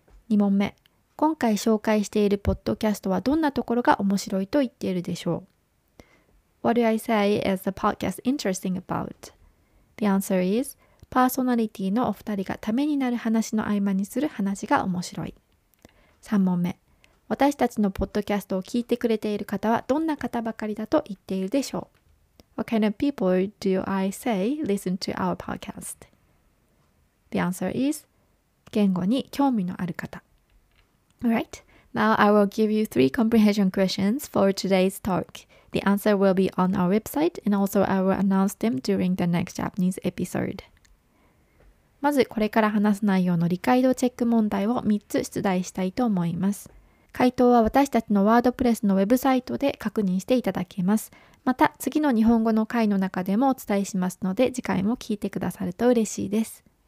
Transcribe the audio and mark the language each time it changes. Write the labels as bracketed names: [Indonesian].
[Japanese] 2問目、今回紹介しているポッドキャストはどんなところが面白いと言っているでしょう? [English] What do I say is the podcast interesting about? The answer is, [Japanese] パーソナリティのお二人がためになる話の合間にする話が面白い。 3問目、私たちのポッドキャストを聞いてくれている方はどんな方ばかりだと言っているでしょう。 [English] What kind of people do I say listen to our podcast? The answer is, [Japanese] 言語に興味のある方。 [English] Alright, now I will give you three comprehension questions for today's talk. The answer will be on our website, and also I will announce them during the next Japanese episode. [Japanese] まずこれから話す内容の理解度チェック問題を3つ出題したいと思います。回答は私たちのワードプレスのウェブサイトで確認していただけます。また次の日本語の回の中でもお伝えしますので、次回も聞いてくださると嬉しいです。